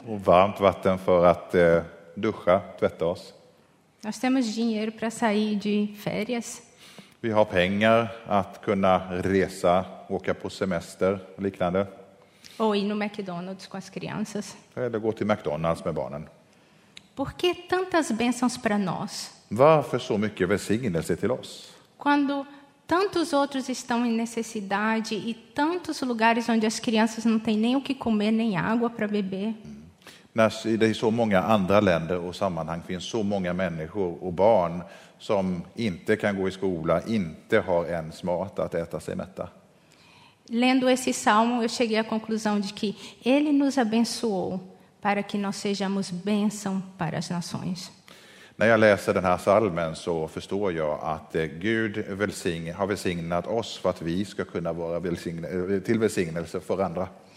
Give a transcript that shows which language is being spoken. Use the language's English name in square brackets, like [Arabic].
[Swedish] Och varmt vatten för att duscha, tvätta oss. [Portuguese] Nós temos dinheiro para sair de férias. [Swedish] Vi har pengar att kunna resa, åka på semester och liknande. [Portuguese] Ou ir no McDonald's com as crianças. [Swedish] Eller gå till McDonald's med barnen. [Portuguese] Por que tantas bênçãos para nós? [Swedish] Varför så mycket välsignelse till oss? [Portuguese] Quando tantos outros estão em necessidade e tantos lugares onde as crianças não têm nem o que comer nem água para beber. [Swedish] När det är så många andra länder och sammanhang finns så många människor och barn som inte kan gå i skola, inte har ens mat att äta sig mätta. [Portuguese] Lendo esse salmo, eu cheguei à conclusão de que ele nos abençoou para que nós sejamos bênção para as nações. [Swedish] När jag läser den här salmen så förstår jag att Gud har välsignat oss för att vi ska kunna vara till välsignelse för andra.